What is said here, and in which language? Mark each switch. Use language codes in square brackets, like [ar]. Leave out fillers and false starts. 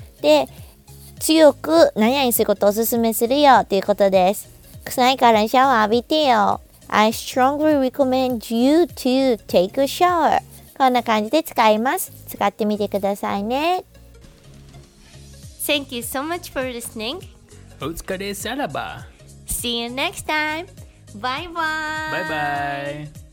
[ja] で、強く何々することをおすすめするよということです。臭いからシャワー浴びてよ。 [en] I strongly recommend you to take a shower. [ja] こんな感じで使います。使ってみてくださいね。 [en] Thank you so much for listening. [ja] Otsukare saraba. [en] See you next time. Bye bye. Bye bye.